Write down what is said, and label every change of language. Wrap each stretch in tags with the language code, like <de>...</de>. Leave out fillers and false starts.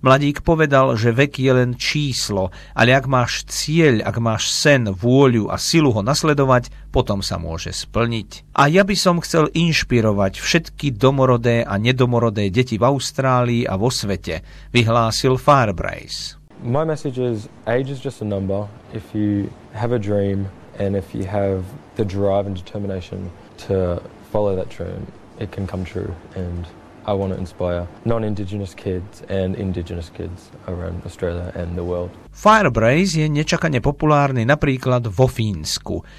<sk>Mladík povedal, že vek je len číslo, ale ak máš cieľ, ak máš sen, vôľu a silu ho nasledovať, potom sa môže splniť. A ja by som chcel inšpirovať všetky domorodé a nedomorodé deti v Austrálii a vo svete, vyhlásil Firebrace.</sk> <en>My message is, age is just a number. If you have a dream and if you have the drive and determination to follow that dream, it can come true, and I want to inspire non-indigenous kids and indigenous kids around Australia and the world.</en> <sk>Firebrace je nečakane populárny napríklad vo Fínsku.</sk>